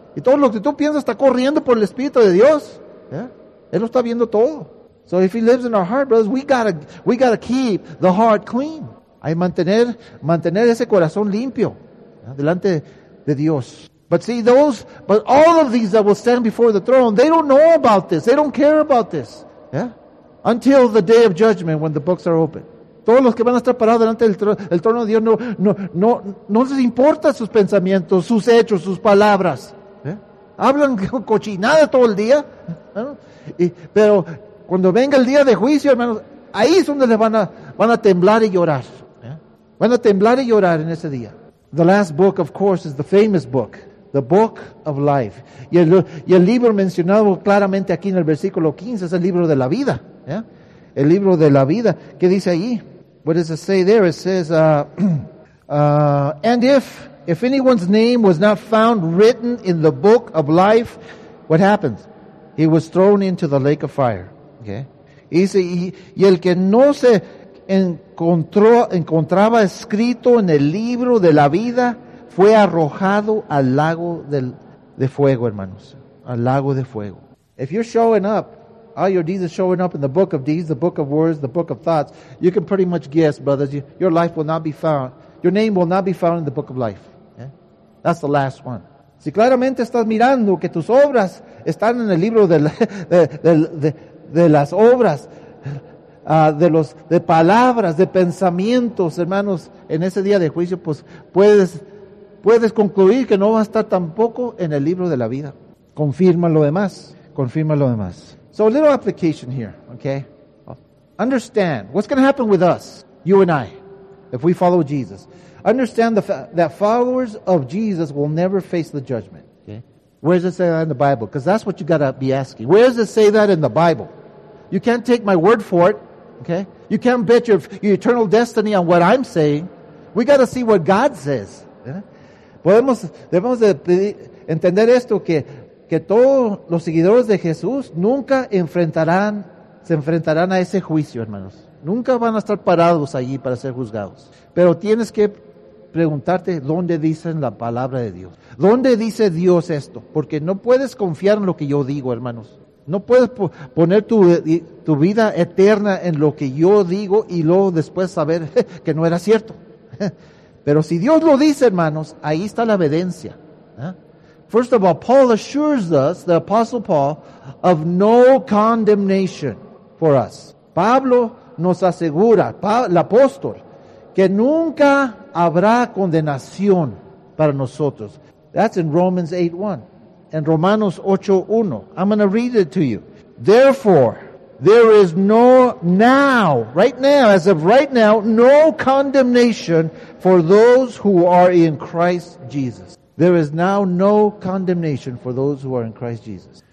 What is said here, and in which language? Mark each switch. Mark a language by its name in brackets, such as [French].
[Spanish] Y todo lo que tú piensas está corriendo por el Espíritu de Dios. Yeah. Él lo está viendo todo. [English] So if He lives in our heart, brothers, we gotta keep the heart clean. [Spanish] Hay mantener ese corazón limpio, ¿no?, delante de Dios. [English] But all of these that will stand before the throne, they don't know about this. They don't care about this. Yeah? Until the day of judgment when the books are open. [Spanish] Todos los que van a estar parados delante del trono de Dios no les importa sus pensamientos, sus hechos, sus palabras. ¿Eh? Hablan cochinada todo el día. ¿Eh? Pero cuando venga el día de juicio, hermanos, ahí es donde les van a temblar y llorar. Van a temblar y llorar en ese día. [English] The last book, of course, is the famous book, The book of life. [Spanish] Y el libro mencionado claramente aquí en el versículo 15 es el libro de la vida. Yeah? El libro de la vida. ¿Qué dice ahí? [English] What does it say there? It says, and if anyone's name was not found written in the book of life, what happens? He was thrown into the lake of fire. Okay. [Spanish] Y dice, y el que no se encontraba escrito en el libro de la vida fue arrojado al lago de fuego, hermanos. Al lago de fuego. [English] If you're showing up, all your deeds are showing up in the book of deeds, the book of words, the book of thoughts, you can pretty much guess, brothers, your life will not be found. Your name will not be found in the book of life. Yeah? That's the last one. [Spanish] Si claramente estás mirando que tus obras están en el libro de las obras, de palabras, de pensamientos, hermanos, en ese día de juicio, pues puedes concluir que no va a estar tampoco en el libro de la vida. Confirma lo demás. [English] So a little application here, okay? Understand, what's going to happen with us, you and I, if we follow Jesus? Understand that followers of Jesus will never face the judgment. Okay. Where does it say that in the Bible? Because that's what you got to be asking. Where does it say that in the Bible? You can't take my word for it. Okay. You can't bet your eternal destiny on what I'm saying. We got to see what God says. Yeah? [Spanish] Debemos de entender esto, que todos los seguidores de Jesús nunca se enfrentarán a ese juicio, hermanos. Nunca van a estar parados allí para ser juzgados. Pero tienes que preguntarte dónde dicen la palabra de Dios. ¿Dónde dice Dios esto? Porque no puedes confiar en lo que yo digo, hermanos. No puedes poner tu vida eterna en lo que yo digo y luego después saber que no era cierto. Pero si Dios lo dice, hermanos, ahí está la evidencia. [English] First of all, Paul assures us, the Apostle Paul, of no condemnation for us. [Spanish] Pablo nos asegura, el apóstol, que nunca habrá condenación para nosotros. [English] That's in Romans 8:1. And Romanos 8:1. I'm going to read it to you. Therefore, there is no now, right now, as of right now, no condemnation for those who are in Christ Jesus. There is now no condemnation for those who are in Christ Jesus.